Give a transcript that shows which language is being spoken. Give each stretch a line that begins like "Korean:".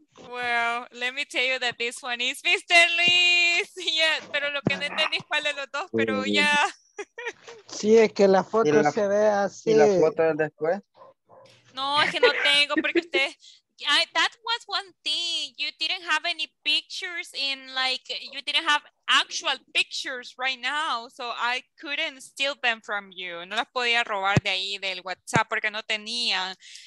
English: Well, let me tell you that this one is Mr. Liz.
Spanish: Yeah, pero lo que no entendí es cuál de los dos, pero ya.
English: Yeah.
Spanish: Sí, es que la foto se ve así. ¿Y la foto del después? No, es que no tengo porque usted.
English: That was one thing. You didn't have any pictures in like, you didn't have actual pictures right now, so I couldn't steal them from you.
Spanish: No las podía robar de ahí del WhatsApp porque no tenía.